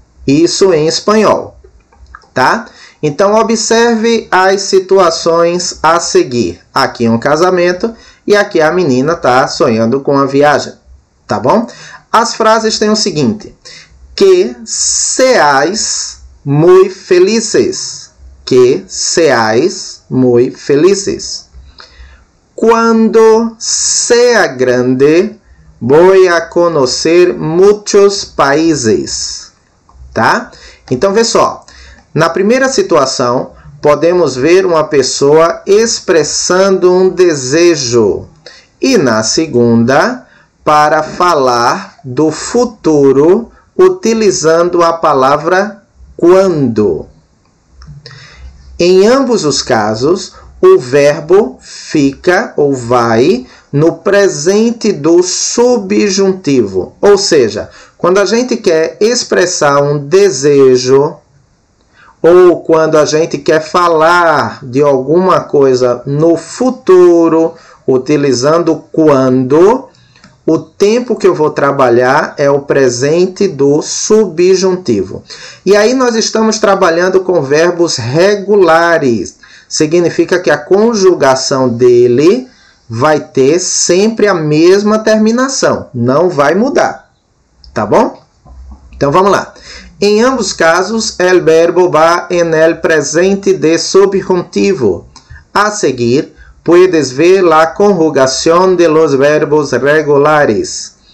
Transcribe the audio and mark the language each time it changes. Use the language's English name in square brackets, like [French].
[Portuguese] Isso em espanhol, tá? Então, observe as situações a seguir. Aqui um casamento e aqui a menina está sonhando com a viagem, tá bom? As frases têm o seguinte: [Spanish] que seais muy felices. Que seais muy felices. Cuando sea grande, voy a conocer muchos países. [Portuguese] Tá? Então, vê só. Na primeira situação, podemos ver uma pessoa expressando um desejo. E na segunda, para falar do futuro, utilizando a palavra quando. Em ambos os casos, o verbo fica ou vai no presente do subjuntivo. Ou seja, quando a gente quer expressar um desejo ou quando a gente quer falar de alguma coisa no futuro, utilizando quando, o tempo que eu vou trabalhar é o presente do subjuntivo. E aí nós estamos trabalhando com verbos regulares. significa que a conjugação dele vai ter sempre a mesma terminação, não vai mudar, tá bom? Então vamos lá. [Spanish] Em ambos casos, el verbo va en el presente de subjuntivo. A seguir, puedes ver la conjugación de los verbos regulares.